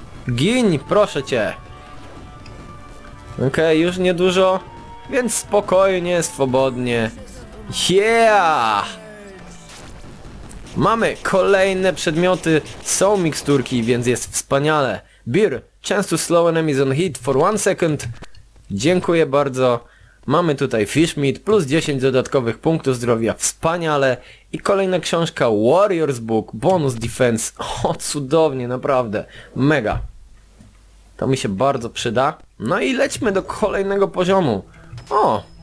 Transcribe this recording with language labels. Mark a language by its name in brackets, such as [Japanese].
[Polish] Giń, proszę cię. Okej, okay, już niedużo. Więc spokojnie, swobodnie. Yeah! Mamy kolejne przedmioty. Są miksturki, więc jest wspaniale. [English] Beer, chance to slow enemies on hit for 1 second. [Polish] Dziękuję bardzo. Mamy tutaj fish meat, plus 10 dodatkowych punktów zdrowia, wspaniale. I kolejna książka, Warrior's Book, bonus defense, o cudownie, naprawdę, mega. To mi się bardzo przyda. No i lećmy do kolejnego poziomu. O!